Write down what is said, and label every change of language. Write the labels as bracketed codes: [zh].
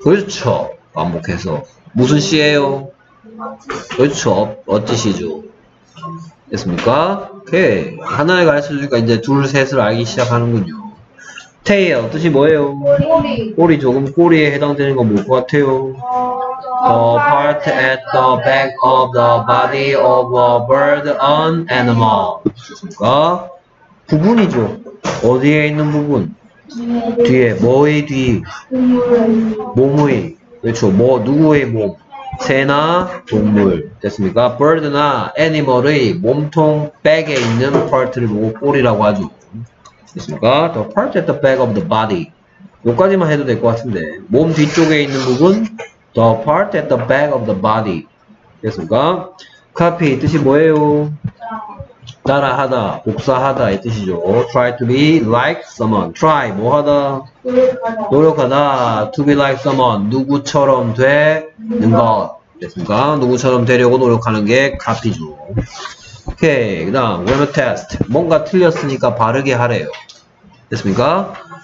[ko] 그렇죠. 반복해서. 무슨 시예요? 그렇죠. 어찌시죠? 됐습니까? 오케이. 하나에 가르쳐주니까 이제 둘, 셋을 알기 시작하는군요. 테일 뜻이 뭐예요? 꼬리 꼬리 조금 꼬리에 해당되는 건 뭘 것 같아요? [en] The part at the back of the body of a bird an animal [ko] 좋습니까? 부분이죠 어디에 있는 부분? 뒤에 뭐의 뒤? 몸의 그렇죠 뭐 누구의 몸? 새나 동물 됐습니까? bird나 animal의 몸통 back에 있는 part를 보고 꼬리라고 하죠 됐습니까? [en] The part at the back of the body. [ko] 여기까지만 해도 될 것 같은데. 몸 뒤쪽에 있는 부분. [en] The part at the back of the body. [ko] 됐습니까? Copy 뜻이 뭐예요? 따라하다, 복사하다 이 뜻이죠. [en] Try to be like someone. Try [ko] 뭐하다? 노력하다. [en] To be like someone. [ko] 누구처럼 되는 것. 됐습니까? 누구처럼 되려고 노력하는 게 copy죠. 오케이 그 다음 grammar test 뭔가 틀렸으니까 바르게 하래요 됐습니까?